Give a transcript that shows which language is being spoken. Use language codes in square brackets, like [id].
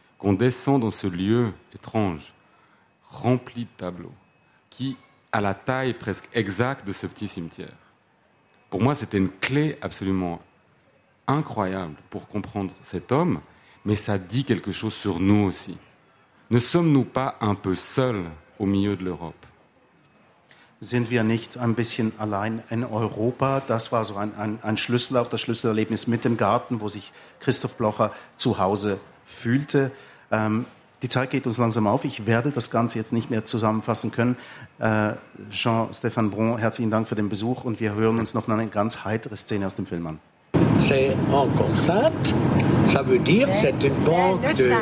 [fr] Qu'on descend dans ce lieu étrange, rempli de tableaux, qui a la taille presque exacte de ce petit cimetière. Pour moi, c'était une clé absolument incroyable pour comprendre cet homme, mais ça dit quelque chose sur nous aussi. Ne sommes-nous pas un peu seuls au milieu de l'Europe? [de] sind wir nicht ein bisschen allein in Europa? Das war so ein Schlüssel, auch das Schlüsselerlebnis mit dem Garten, wo sich Christoph Blocher zu Hause fühlte. Die Zeit geht uns langsam auf. Ich werde das Ganze jetzt nicht mehr zusammenfassen können. Jean-Stéphane Bron, herzlichen Dank für den Besuch und wir hören uns noch eine ganz heitere Szene aus dem Film an. [fr] C'est un concert. Ça veut dire, c'est une banque de...